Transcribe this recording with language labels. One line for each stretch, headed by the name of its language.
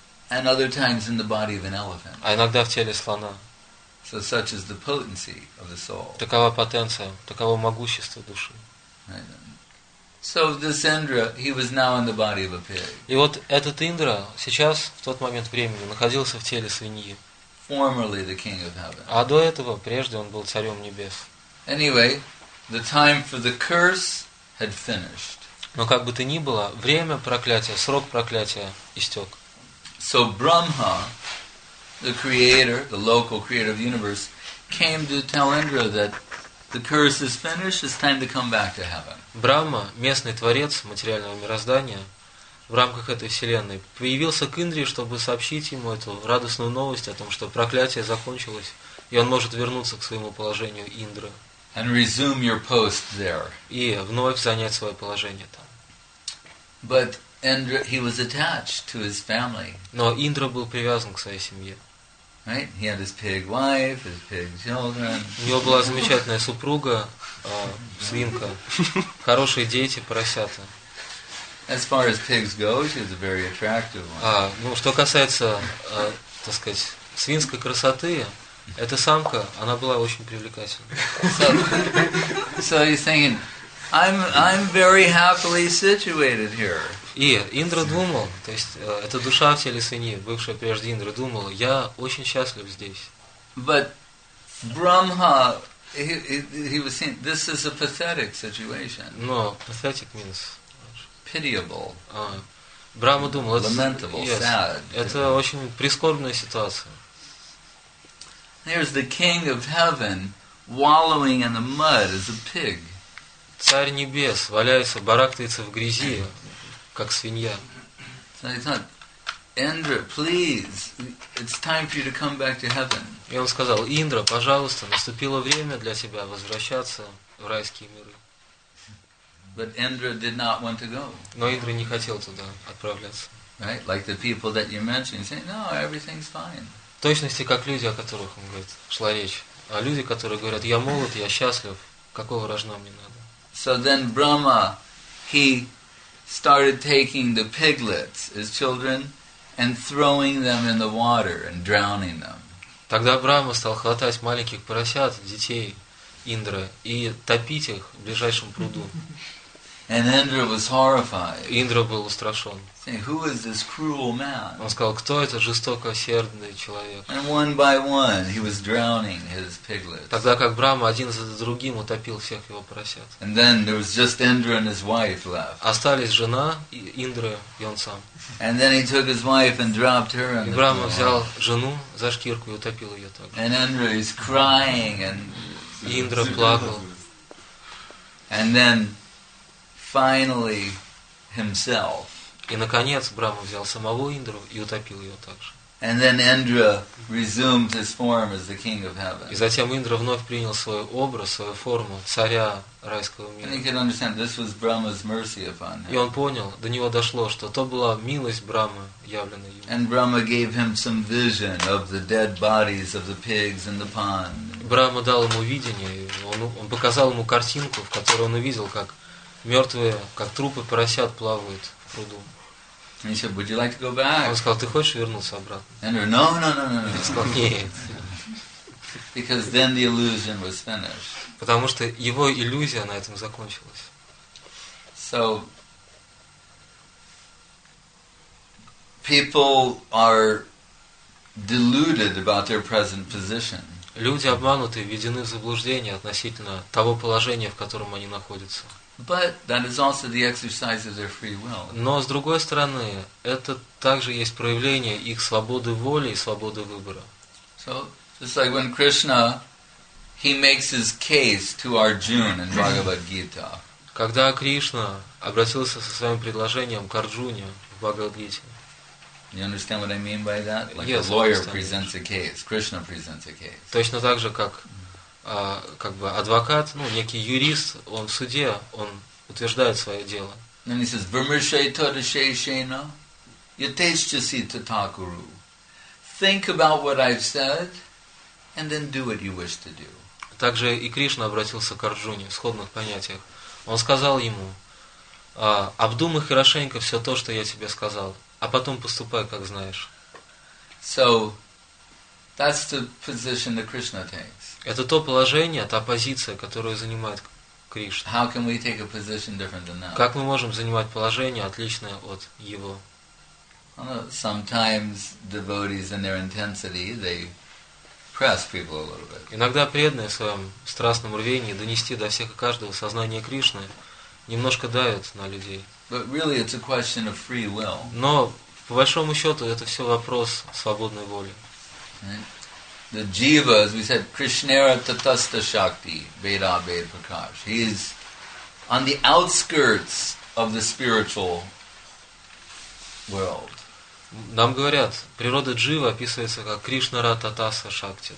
English: And other times in the body of an elephant.
Russian: А иногда в теле слона.
English: So such is the potency of the soul.
Russian: Такова потенция, таково могущество души.
English: So this Indra, he was now in the body of a pig.
Russian: И вот этот Индра сейчас в тот момент времени находился в теле свиньи.
English: Formerly the king of heaven.
Russian: А до этого прежде он был царем небес.
English: Anyway, the time for the curse had finished.
Russian: Но как бы то ни было, время проклятия, срок проклятия истек.
English: So Brahma, the creator, the local creator of the universe, came to tell Indra that The curse is finished, it's time to come back to heaven.
Russian: Брахма, местный творец материального мироздания, в рамках этой вселенной, появился к Индре, чтобы сообщить ему эту радостную новость о том, что проклятие закончилось, и он может вернуться к своему положению Индры.
English: And resume your post there.
Russian: И вновь занять свое положение там.
English: But Indra, he was attached to his family.
Russian: Но Индра был привязан к своей семье.
English: Right? He had his pig wife, his pig children.
Russian: У него была замечательная супруга, свинка, хорошие дети, поросята.
English: As far as pigs go, she was a very attractive one.
Russian: Ну что касается, так сказать, свинской красоты, эта самка, она была очень привлекательной.
English: So he's thinking, I'm very happily situated here.
Russian: И Индра думал, то есть эта душа в теле свиньи, бывшая прежде Индры, думала, я очень счастлив здесь.
English: But Brahma, he was saying, this is a pathetic situation. Но pathetic means pitiable.
Russian: Брахма думал,
English: lamentable, yes, sad.
Russian: Это очень прискорбная ситуация.
English: There's the king of heaven wallowing in the mud as a pig.
Russian: Царь небес валяется, барахтается в грязи, как свинья.
English: So he thought, Indra, please, it's time for you to come back to heaven.
Russian: И он сказал, Индра, пожалуйста, наступило время для тебя возвращаться в райские миры.
English: But Indra did not want to go.
Russian: Но Индра не хотел туда отправляться.
English: Right, like the people that you mentioned, saying, no, everything's fine.
Russian: В точности, как люди, о которых он говорит, шла речь. А люди, которые говорят, я молод, я счастлив, какого рожна мне надо?
English: So then Brahma, he started taking the piglets, his children, and throwing them in the water and drowning them.
Russian: Тогда Брахма стал хватать маленьких поросят, детей Индры, и топить их в ближайшем пруду.
English: And Indra was horrified.
Russian: Индра был устрашен.
English: Saying, "Who is this cruel man?"
Russian: Он сказал, кто этот жестокосердный человек?
English: And one by one, he was drowning his piglets.
Russian: Тогда как Брахма один за другим утопил всех его поросят.
English: And then there was just Indra and his wife left.
Russian: Остались жена Индры и он сам.
English: And then he took his wife and dropped her in the pool.
Russian: Брахма взял жену за шкирку и утопил ее также.
English: And Indra is crying and.
Russian: Индра плакал.
English: And then. Finally, himself.
Russian: И наконец Брахма взял самого Индру и утопил его также.
English: And then Indra resumed his form as the king of heaven.
Russian: И затем Индра вновь принял свой образ, свою форму царя райского мира.
English: And he could understand this was Brahma's mercy upon him.
Russian: И он понял, до него дошло, что то была милость Брахмы, явленная ему.
English: And Brahma gave him some vision of the dead bodies of the pigs in the pond.
Russian: Брахма дал ему видение, он показал ему картинку, в которой он увидел, как мертвые, как трупы поросят, плавают в пруду.
English: He said, "Would you like to go back?"
Russian: Он сказал, ты хочешь вернуться обратно?
English: Andrew, no, no, no, no, no.
Russian: Он сказал, нет.
English: Because then the illusion was finished.
Russian: Потому что его иллюзия на этом закончилась.
English: So people are deluded about their present position.
Russian: Люди обмануты, введены в заблуждение относительно того положения, в котором они находятся.
English: But that is also the exercise of their free will.
Russian: Но с другой стороны, это также есть проявление их свободы воли и свободы выбора.
English: So just like when Krishna, he makes his case to Arjuna in Bhagavad Gita.
Russian: Когда Кришна обратился со своим предложением к Арджуне в Бхагавад-гите.
English: You understand what I mean by that? Like yes, a lawyer presents a case. Krishna presents a case.
Russian: Точно так же, как как бы адвокат, ну, некий юрист, он в суде, он утверждает свое дело.
English: And he says,
Sanskrit: Vermishay Todashay Shena, Yateshchasi Tathakuru.
English: Think about what I've said, and then do what you wish to do.
Russian: Также и Кришна обратился к Арджуне в сходных понятиях. Он сказал ему, обдумай хорошенько все то, что я тебе сказал, а потом поступай, как знаешь.
English: So, that's the position that Krishna takes.
Russian: Это то положение, та позиция, которую занимает Кришна.
English: How can we take a position different than that?
Russian: Как мы можем занимать положение, отличное от его?
English: Sometimes devotees in their intensity, they press people a little bit.
Russian: Иногда преданные в своем страстном рвении донести до всех и каждого сознание Кришны немножко давят на людей.
English: But really it's a question of free will.
Russian: Но, по большому счету, это все вопрос свободной воли.
English: the jivas, we said
Sanskrit: Krishnera Tatasta Shakti, Veda Veda Prakash.
English: He is on the outskirts of the spiritual world.
Russian: Нам говорят, природа джива описывается как
Sanskrit: Кришнара Татаса Шакти.